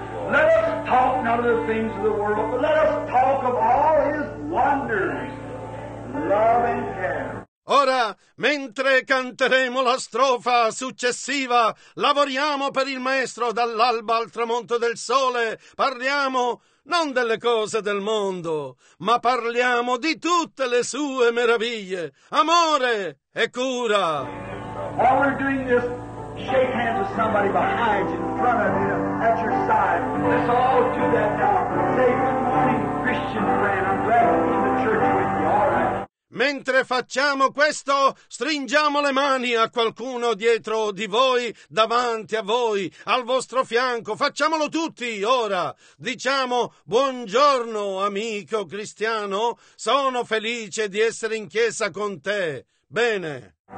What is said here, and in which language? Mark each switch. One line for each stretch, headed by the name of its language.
English: Let us talk not of the things of the world, but let us talk of all His wonders, love and care.
Italian: Ora, mentre canteremo la strofa successiva, lavoriamo per il Maestro dall'alba al tramonto del sole, parliamo non delle cose del mondo, ma parliamo di tutte le sue meraviglie, amore e cura.
English: While we're doing this, shake hands with somebody behind you, in front of you, at your side. Let's all do that now. Say good morning, Christian friend. I'm glad to be in the church with you. All right.
Italian: Mentre facciamo questo, stringiamo le mani a qualcuno dietro di voi, davanti a voi, al vostro fianco. Facciamolo tutti, ora. Diciamo, buongiorno, amico cristiano. Sono felice di essere in chiesa con te. Bene.